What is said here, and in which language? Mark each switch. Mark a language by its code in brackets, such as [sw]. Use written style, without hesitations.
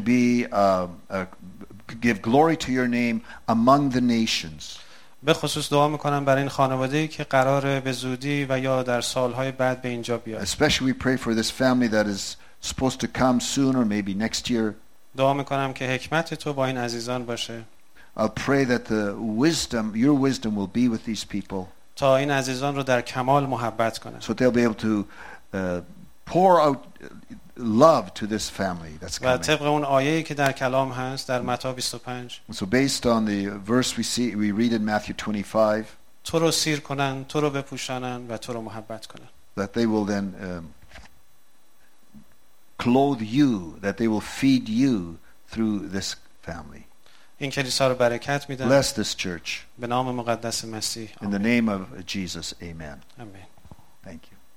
[en] And they can be give glory to your name among the nations. [fa] به خصوص دعا میکنم برای این خانواده ای که قراره به زودی و یا در سالهای بعد به اینجا بیاد. [en] Especially we pray for this family that is supposed to come soon or maybe next year. [fa] دعا میکنم که حکمت تو با این عزیزان باشه. [en] I'll pray that the wisdom, your wisdom will be with these people. [fa] تا این عزیزان رو در کمال محبت کنه. [en] So they'll be able to pour out love to this family that's coming. [fa] و طبق اون آیه‌ای که در کلام هست در متی 25. [en] So based on the verse we read in Matthew 25. [fa] تو رو سیر کنن، تو رو بپوشانن و تو رو محبت کنن. [en] That they will then clothe you, that they will feed you through this family. [fa] این کلیسا رو برکت میدن. [en] Bless this church. [fa] به نام مقدس مسیح. [en] In the name of Jesus, amen. Amen. Thank you.